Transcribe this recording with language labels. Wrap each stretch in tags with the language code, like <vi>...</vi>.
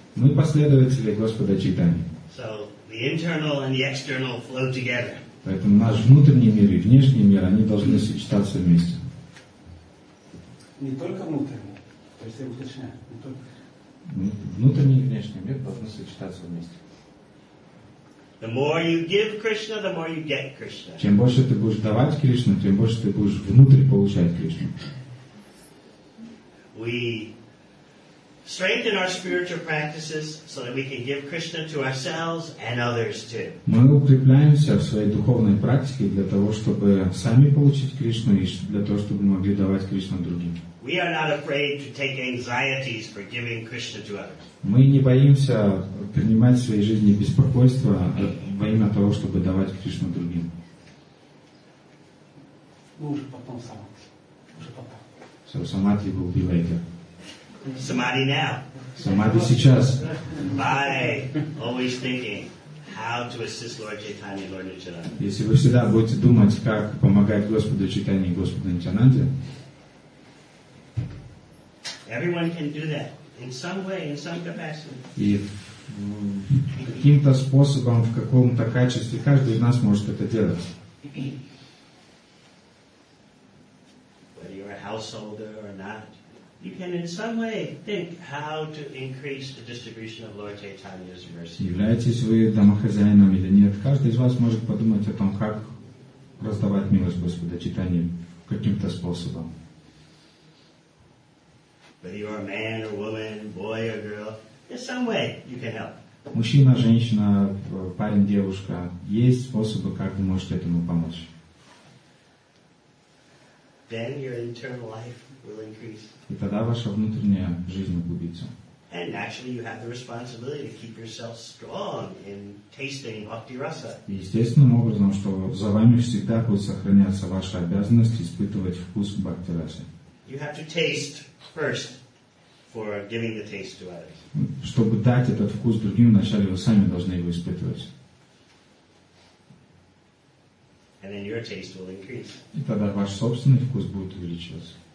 <ru>Мы последователи Господа Чайтаньи.</ru> <en>So the internal and the external flow together.</en> <ru>Поэтому наш внутренний мир и внешний мир, они должны сочетаться вместе. Не только внутренний, то есть я уточняю, не только. Внутренний и внешний мир должны сочетаться вместе.</ru> <en>The more you give Krishna, the more you get Krishna.</en> <ru>Чем больше ты будешь давать Кришну, тем больше ты будешь внутрь получать Кришну.</ru> <en>We strengthen our spiritual practices so that we can give Krishna to ourselves and others too.</en> <ru>Мы укрепляемся в своей духовной практике для того, чтобы сами получить Кришну и для того, чтобы мы могли давать Кришну другим.</ru> <en>We are not afraid to take anxieties for giving Krishna to others.</en> <ru>Мы не боимся принимать в своей жизни беспокойство во имя того, чтобы давать Кришну другим. Мы уже потом сама. Уже потом.</ru> <en>So samadhi will be later. Samadhi now.</en> <ru>Samadhi сейчас.</ru> <en>By always thinking how to assist Lord Chaitanya and Lord Nityananda.</en> <ru>Если вы всегда будете думать, как помогать Господу Чайтанье и Господу Нитянанде.</ru> <en>Everyone can do that in some way, in some capacity.</en> <ru>И каким-то способом, в каком-то качестве, каждый из нас может это делать.</ru> <en>Whether you're a householder or not. You can in some way think how to increase the distribution of Lord Chaitanya's mercy.</en> <ru>Являетесь вы домохозяином или нет, каждый из вас может подумать о том, как раздавать милость Господа Чайтаньи каким-то способом.</ru> <en>Whether you are a man or woman, boy or girl, in some way you can help.</en> <ru>Мужчина, женщина, парень, девушка, есть способы, как вы можете этому помочь.</ru> <en>Then your internal life will increase.</en> <ru>И тогда ваша внутренняя жизнь углубится.</ru> <en>And actually you have the responsibility to keep yourself strong in tasting bhakti rasa.</en> <ru>И естественным образом, что за вами всегда будет сохраняться ваша обязанность испытывать вкус бхакти расы.</ru> <en>You have to taste first for giving the taste to others.</en> <ru>Чтобы дать этот вкус другим, вначале вы сами должны его испытывать.</ru> <en>And then your taste will increase.</en> <ru>И тогда ваш собственный вкус будет увеличиваться.</ru>